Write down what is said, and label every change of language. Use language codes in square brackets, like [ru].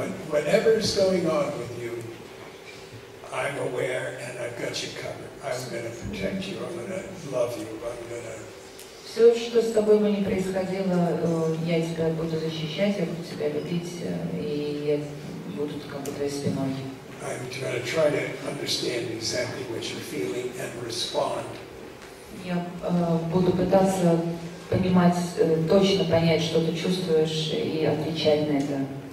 [en] Whatever's going on with you, I'm aware and I've got you covered. I'm going to protect you. I'm going to love you. I'm going to. [ru] Все, что с тобой бы не происходило, я тебя буду защищать, я буду тебя любить, и я буду как бы твоей спиной. [en] I'm going to try to understand exactly what you're feeling and respond. [ru] Я буду пытаться понимать, точно понять, что ты чувствуешь, и отвечать на это.